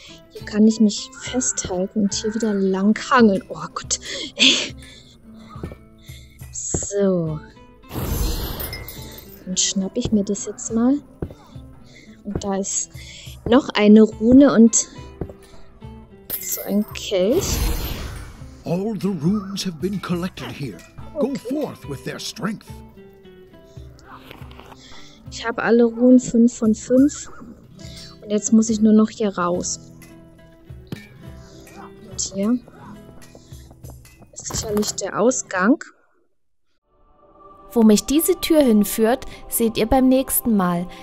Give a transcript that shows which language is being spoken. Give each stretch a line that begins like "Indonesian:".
German: Hier kann ich mich festhalten und hier wieder langhangeln. Oh Gott. So. Dann schnapp ich mir das jetzt mal. Und da ist noch eine Rune und so ein Kelch.
English: All the runes have been collected here. Okay. Go forth with their strength.
German: Ich habe alle Runen 5 von 5. Und jetzt muss ich nur noch hier raus. Und hier ist sicherlich der Ausgang. Wo mich diese Tür hinführt, seht ihr beim nächsten Mal.